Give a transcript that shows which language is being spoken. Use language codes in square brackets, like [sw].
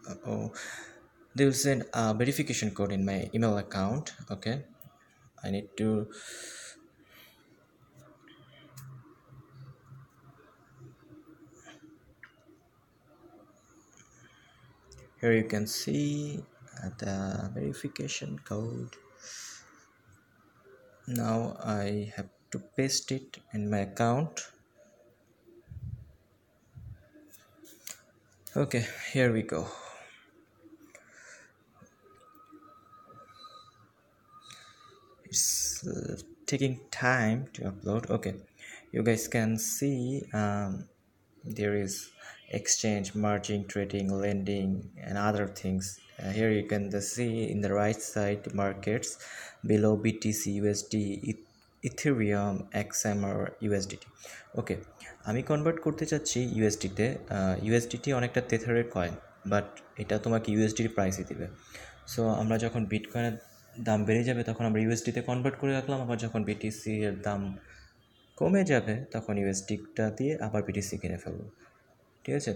[en] ও they will send a verification code in my email account okay I need to Here you can see the verification code. Now I have to paste it in my account. Okay, here we go. It's taking time to upload. Okay, you guys can see there is exchange, merging, trading, lending, and other things. Here you can see in the right side markets below BTC, USD, Ethereum, XMR, USDT. [bn] Okay, আমি convert করতে চাচ্ছি ইউএসডিতে USDT অনেকটা টেথারের coin but এটা তোমাকে ইউএসডির প্রাইসই দেবে so আমরা যখন বিটকয়েনের দাম বেড়ে যাবে তখন আমরা ইউএসডিতে কনভার্ট করে রাখলাম আবার যখন বিটিসির দাম কমে যাবে তখন ইউএসডিটা দিয়ে আবার বিটিসি কিনে ফেলবো ঠিক আছে।